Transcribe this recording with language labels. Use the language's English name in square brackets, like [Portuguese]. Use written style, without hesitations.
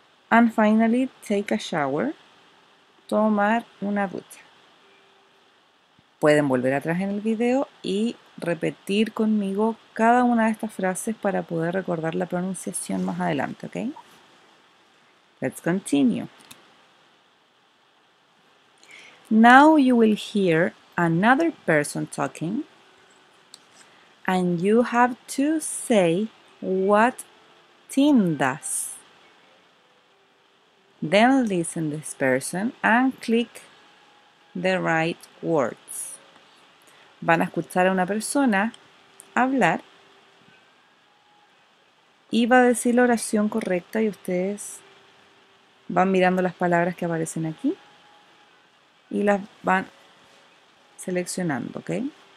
[English] And finally, take a shower, [Spanish] tomar una ducha. Pueden volver atrás en el video y repetir conmigo cada una de estas frases para poder recordar la pronunciación más adelante, ¿ok? [English] Let's continue. Now you will hear another person talking, and you have to say what Tim does. Then listen to this person and click the right words. [Spanish] Van a escuchar a una persona hablar y va a decir la oración correcta y ustedes van mirando las palabras que aparecen aquí y las van seleccionando, ¿ok?